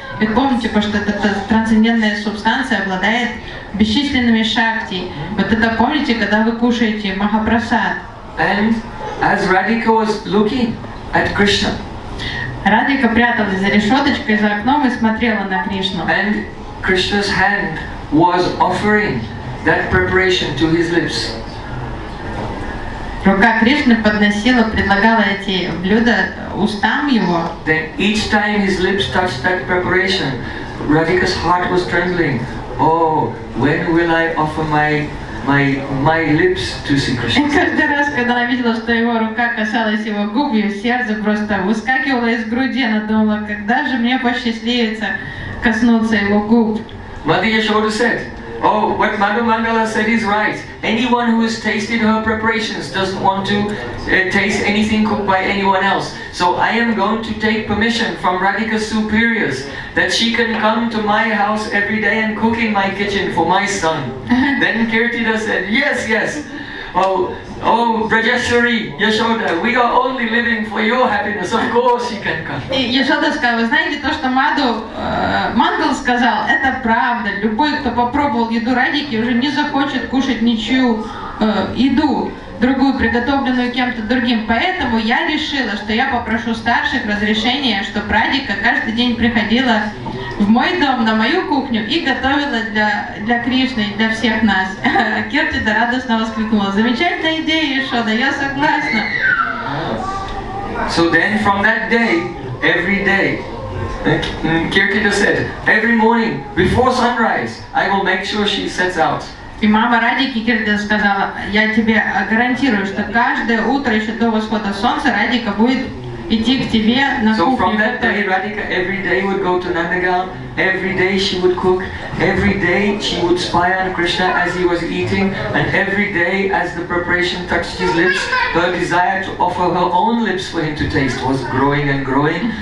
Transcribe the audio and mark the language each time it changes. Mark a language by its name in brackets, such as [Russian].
[Russian] И помните, что эта трансцендентная субстанция обладает бесчисленными шакти. Вот это помните, когда вы кушаете Махапрасад. [English] And as Radhika was looking at Krishna. [Russian] Радика пряталась за решеточкой, за окном и смотрела на Кришну. [English] And Krishna's hand was offering that preparation to his lips. [Russian] Рука Кришны подносила, предлагала эти блюда устам его. [English] Then each time his lips touched that preparation, Radhika's heart was trembling. Oh, when will I offer my lips to see Krishna? [Russian] И каждый раз, когда она видела, что его рука касалась его губ, ее сердце просто выскакивало из груди, она думала, когда же мне посчастливится коснуться его губ? [English] Mother Yashoda said. Oh, what Madhu Mangala said is right. Anyone who has tasted her preparations doesn't want to taste anything cooked by anyone else. So I am going to take permission from Radhika's superiors that she can come to my house every day and cook in my kitchen for my son. Then Kirtida said, yes, yes. Oh, Brajeshwari, Yashoda, we are only living for your happiness. Of course she can come. [Russian] Yashoda сказала, вы знаете, то, что Madhu Mangal сказал, это правда. Любой, кто попробовал еду Радики, уже не захочет кушать ничью еду, другую, приготовленную кем-то другим. Поэтому я решила, что я попрошу старших разрешения, чтобы Радика каждый день приходила в мой дом, на мою кухню и готовила для Кришны, для всех нас. Киртида радостно воскликнула. Замечательная идея, Яшода, я согласна. [English] So then from that day, every day, Киртида said, every morning, before sunrise, I will make sure she sets out. [Russian] И мама Радики Киртида сказала, я тебе гарантирую, что каждое утро еще до восхода солнца Радика будет идти к тебе на кухню. [English] So from that day, Radhika every day would go to Nandagam, every day she would cook, every day she would spy on Krishna as he was eating, and every day as the preparation touched his lips, her desire to offer her own lips for him to taste was growing and growing.